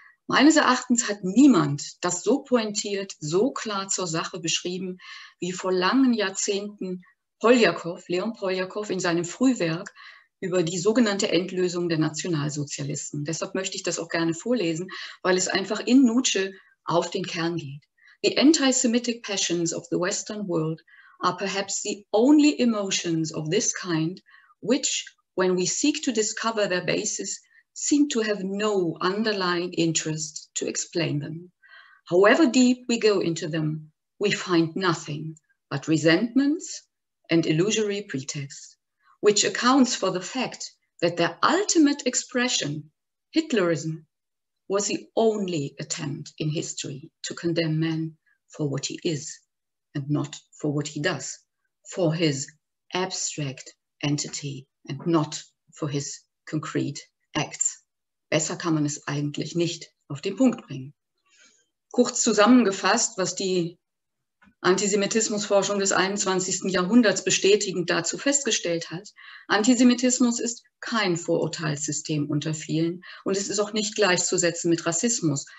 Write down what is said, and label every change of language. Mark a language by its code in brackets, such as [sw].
[de] Meines Erachtens hat niemand das so pointiert, so klar zur Sache beschrieben, wie vor langen Jahrzehnten Leon Poljakow in seinem Frühwerk über die sogenannte Endlösung der Nationalsozialisten. Deshalb möchte ich das auch gerne vorlesen, weil es einfach in Nutshell auf den Kern geht. [en] The anti-Semitic passions of the Western world are perhaps the only emotions of this kind, which, when we seek to discover their basis, seem to have no underlying interest to explain them. However deep we go into them, we find nothing but resentments and illusory pretexts, which accounts for the fact that their ultimate expression, Hitlerism, was the only attempt in history to condemn man for what he is, and not for what he does, for his abstract entity and not for his concrete acts. [de] Besser kann man es eigentlich nicht auf den Punkt bringen. Kurz zusammengefasst, was die Antisemitismusforschung des 21. Jahrhunderts bestätigend dazu festgestellt hat: Antisemitismus ist kein Vorurteilssystem unter vielen und es ist auch nicht gleichzusetzen mit Rassismus.